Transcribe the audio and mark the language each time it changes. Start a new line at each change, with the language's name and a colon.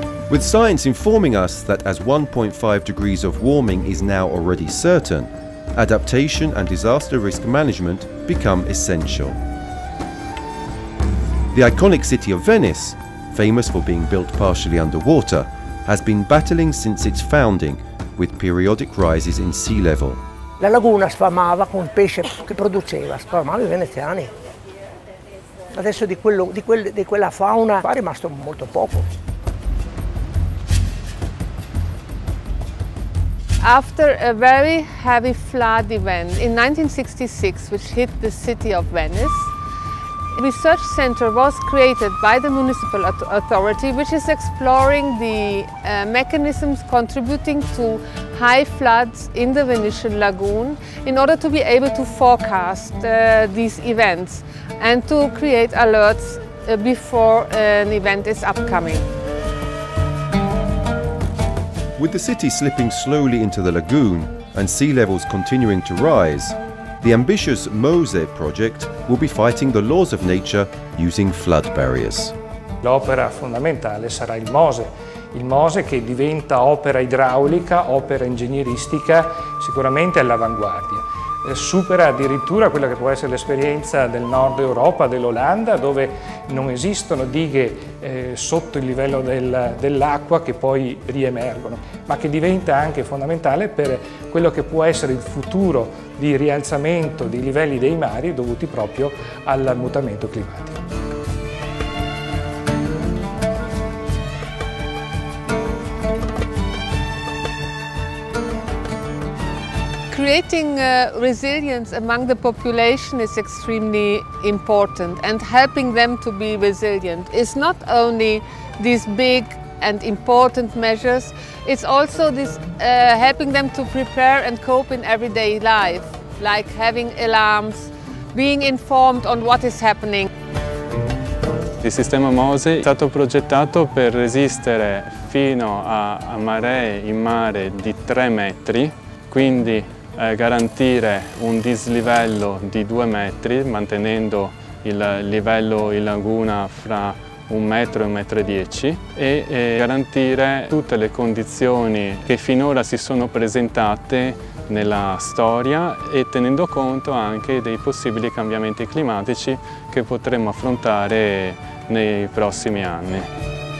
English: With science informing us that as 1.5 degrees of warming is now already certain, adaptation and disaster risk management become essential. The iconic city of Venice, famous for being built partially underwater, has been battling since its founding with periodic rises in sea level.
Italian: La laguna sfamava con pesce che produceva, sfamava i veneziani. Adesso di quella fauna è rimasto molto poco.
English: After a very heavy flood event in 1966, which hit the city of Venice, the research center was created by the municipal authority, which is exploring the mechanisms contributing to high floods in the Venetian lagoon in order to be able to forecast these events and to create alerts before an event is upcoming. With the city slipping slowly into the lagoon and sea levels continuing to rise, the ambitious MOSE project will be fighting the laws of nature using flood barriers.
Italian: L'opera fondamentale sarà il MOSE, il MOSE che diventa opera idraulica, opera ingegneristica, sicuramente all'avanguardia. Supera addirittura quella che può essere l'esperienza del nord Europa, dell'Olanda, dove non esistono dighe sotto il livello dell'acqua che poi riemergono, ma che diventa anche fondamentale per quello che può essere il futuro di rialzamento dei livelli dei mari dovuti proprio al mutamento climatico.
English: Creating resilience among the population is extremely important, and helping them to be resilient is not only these big and important measures, it's also this helping them to prepare and cope in everyday life, like having alarms, being informed on what is happening.
Italian: Il sistema MOSE è stato progettato per resistere fino a maree in mare di 3 metri, quindi garantire un dislivello di 2 metri, mantenendo il livello in laguna fra 1 metro e 1 metro e 10, e garantire tutte le condizioni che finora si sono presentate nella storia, e tenendo conto anche dei possibili cambiamenti climatici che potremo affrontare nei prossimi anni.